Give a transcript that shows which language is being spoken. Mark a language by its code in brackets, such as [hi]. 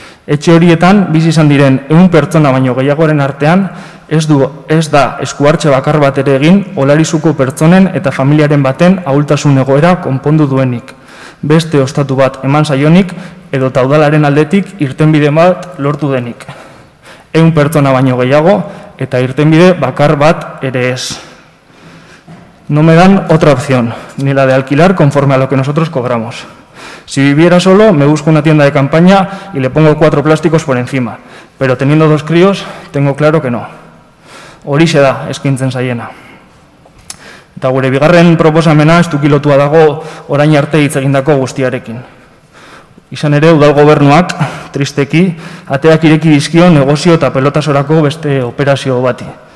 [eu] Etxe horietan bizi izan diren 100 pertsona baino gehiagoren artean ez da eskuartze bakar bat ere egin Olarizuko pertsonen eta familiaren baten ahultasun egoera konpondu duenik. Beste ostatu bat eman saionik edo taudalaren aldetik irtenbide bat lortu denik. 100 pertsona baino gehiago eta irtenbide bakar bat ere ez. [es] No me dan otra opción, ni la de alquilar conforme a lo que nosotros cobramos. Si viviera solo, me busco una tienda de campaña y le pongo 4 plásticos por encima. Pero teniendo 2 críos, tengo claro que no. [eu] Horixe da, eskintzen zaiena. Eta gure bigarren proposamena estuki lotua dago orain arte hitz egindako guztiarekin. Izan ere, udal gobernuak, tristeki, ateak ireki dizkio negozio eta pelotasorako beste operazio bati.